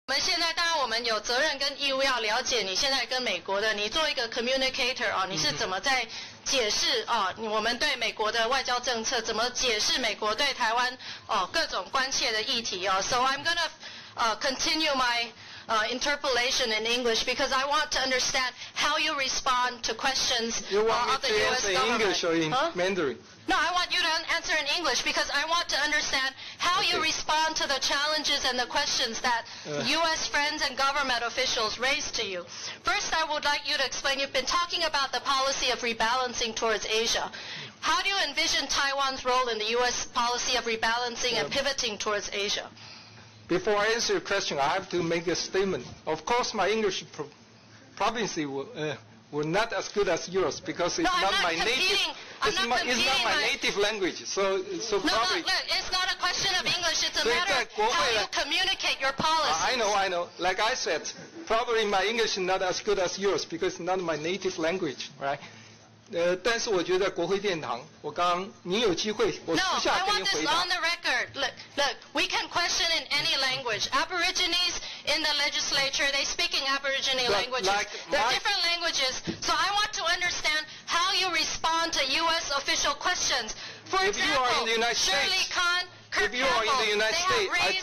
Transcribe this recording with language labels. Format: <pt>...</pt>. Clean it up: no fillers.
<zh>那现在当然我们有责任跟义务要了解你现在跟美国的，你做一个 communicator 哦，你是怎么在解释哦，我们对美国的外交政策，怎么解释美国对台湾哦各种关切的议题哦。</zh> <en>So I'm gonna continue my interpolation in English because I want to understand how you respond to questions of the U.S. government. You want me to answer in English or in Mandarin? No, I want you to answer in English because I want to understand how you respond to the challenges and the questions that U.S. friends and government officials raise to you. First, I would like you to explain, you've been talking about the policy of rebalancing towards Asia. How do you envision Taiwan's role in the U.S. policy of rebalancing and pivoting towards Asia? Before I answer your question, I have to make a statement. Of course, my English proficiency will not as good as yours because it's not my native. It's not my native language, so no, probably... No, look, it's not a question of English, it's a matter of how you communicate your policies. I know. Like I said, probably my English is not as good as yours, because it's not my native language, right?</en> <zh>但是我觉得国会殿堂，我刚刚，您有机会，我私下给您回答。</zh> <en>No, I want this on the record. Look, we can question in any language. Aborigines in the legislature, they speak in aborigine languages. They're different languages, so I want to understand... How you respond to U.S. official questions? For example, Shirley Khan, Kirk Campbell, they have raised</en>